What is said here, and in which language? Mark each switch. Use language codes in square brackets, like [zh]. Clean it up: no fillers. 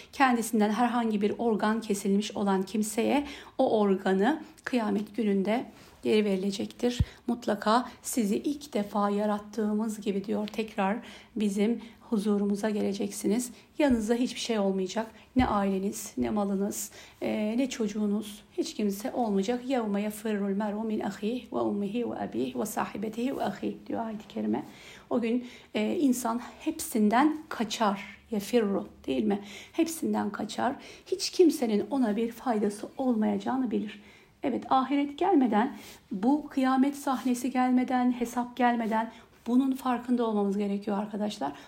[tr] Kendisinden herhangi bir organ kesilmiş olan kimseye o organı kıyamet gününde geri verilecektir. Mutlaka sizi ilk defa yarattığımız gibi diyor, tekrar bizim huzurumuza geleceksiniz. Yanınızda hiçbir şey olmayacak. Ne aileniz, ne malınız, ne çocuğunuz, hiç kimse olmayacak. [ar] يَوْمَ يَفِرُّ الْمَرْءُ مِنْ اَخِيهِ وَاُمِّهِ وَاَبِيهِ وَصَاحِبَتِهِ وَاَخِيهِ [tr] diyor ayet-i kerime. O gün insan hepsinden kaçar. يَفِرُّ değil mi? Hepsinden kaçar. Hiç kimsenin ona bir faydası olmayacağını bilir. Evet, ahiret gelmeden, bu kıyamet sahnesi gelmeden, hesap gelmeden bunun farkında olmamız gerekiyor arkadaşlar.